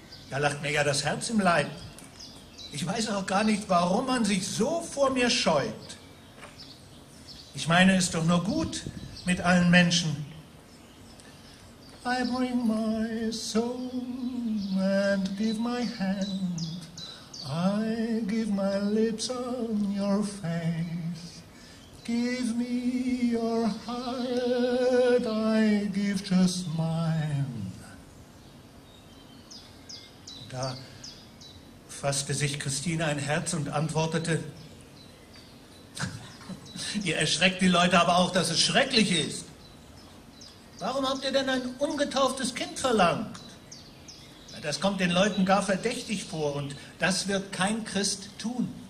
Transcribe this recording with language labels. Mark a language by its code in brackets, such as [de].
[de] Da lacht mir ja das Herz im Leib. Ich weiß auch gar nicht, warum man sich so vor mir scheut. Ich meine, es ist doch nur gut mit allen Menschen. [en] I bring my soul and give my hand. I give my lips on your face. Give me your heart, I give just mine. [de] Da fasste sich Christine ein Herz und antwortete: Ihr erschreckt die Leute aber auch, dass es schrecklich ist. Warum habt ihr denn ein ungetauftes Kind verlangt? Das kommt den Leuten gar verdächtig vor und das wird kein Christ tun.